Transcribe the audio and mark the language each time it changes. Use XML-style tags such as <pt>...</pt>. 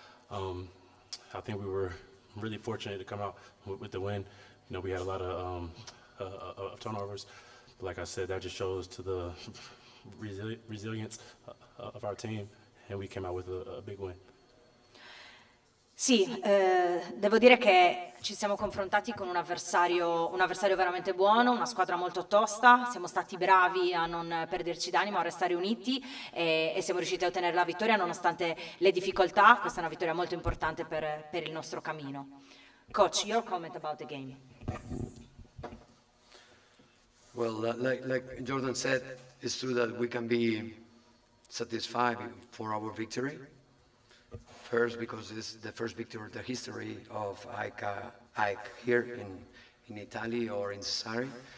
<en>I think we were really fortunate to come out with the win. You know, we had a lot of turnovers. But like I said, that just shows to the resilience of our team, and we came out with a big win.</en> <it>Sì, devo dire che ci siamo confrontati con un avversario veramente buono, una squadra molto tosta, siamo stati bravi a non perderci d'animo, a restare uniti e siamo riusciti a ottenere la vittoria nonostante le difficoltà. Questa è una vittoria molto importante per il nostro cammino.</it> <en>Coach, your comment about the game. Well, like Jordan said, it's true that we can be satisfied for our victory. First, because it's the first victory in the history of Ike here in Italy or in Sassari.</en>